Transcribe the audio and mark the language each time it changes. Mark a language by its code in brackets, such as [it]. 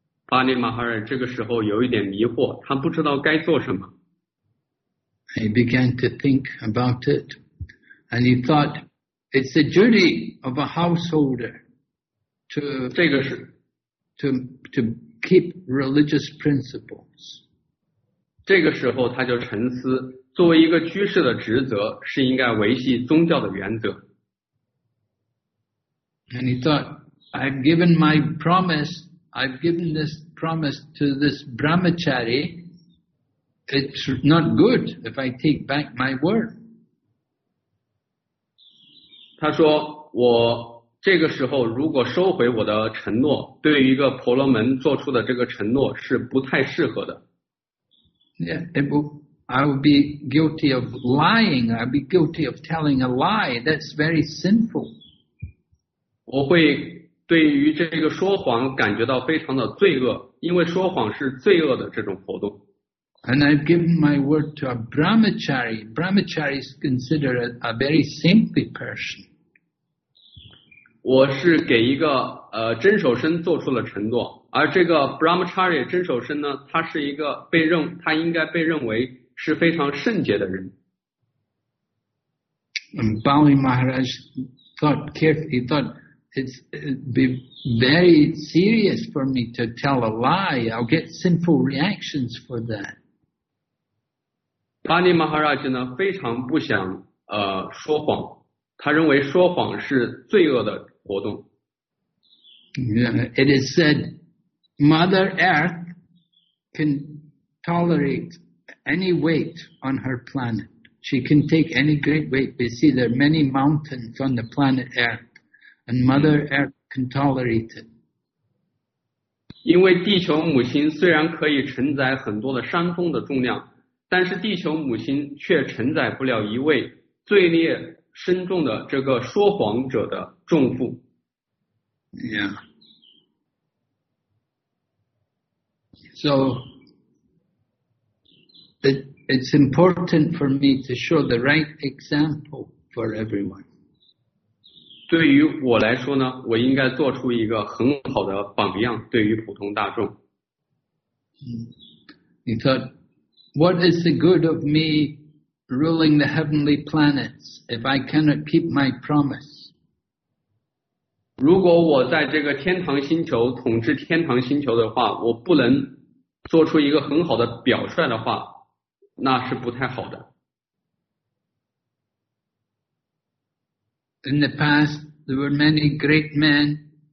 [zh] Bali Maharaj 这个时候有一点迷惑，他不知道该做什么。 [en] He began to think about it, and he thought, it's the duty of a householder to keep religious principles. [zh] 这个时候他就沉思，作为一个居士的职责是应该维系宗教的原则。 [en] And he thought, I've given my promise, I've given this promise to this brahmachari, it's not good if I take back my word. [zh] 他说，我这个时候如果收回我的承诺，对于一个婆罗门做出的这个承诺是不太适合的。 [en] Yeah, I will be guilty of lying, I'll be guilty of telling a lie, that's very sinful. [zh] 我会对于这个说谎感觉到非常的罪恶，因为说谎是罪恶的这种活动。 [en] And I've given my word to a brahmachari. Brahmachari is considered a very saintly person. [zh] 我是给一个真守身做出了承诺，而这个 brahmachari 真守身呢，他是一个他应该被认为是非常圣洁的人。 [en] Bali Maharaj thought carefully. Thought. It'd be very serious for me to tell a lie. I'll get sinful reactions for that. [zh] Bali Maharaj 呢非常不想说谎，他认为说谎是罪恶的活动。 [en] It is said, Mother Earth can tolerate any weight on her planet. She can take any great weight. We see there are many mountains on the planet Earth. And Mother Earth can tolerate it. [zh] 因为地球母亲虽然可以承载很多的山峰的重量，但是地球母亲却承载不了一位罪孽深重的这个说谎者的重负。 Yeah. [en] So, it's important for me to show the right example for everyone. [zh] 对于我来说呢，我应该做出一个很好的榜样，对于普通大众。 [en] He thought, "What is the good of me ruling the heavenly planets if I cannot keep my promise?" [zh] 如果我在这个天堂星球统治天堂星球的话，我不能做出一个很好的表率的话，那是不太好的。 [en] In the past, there were many great men.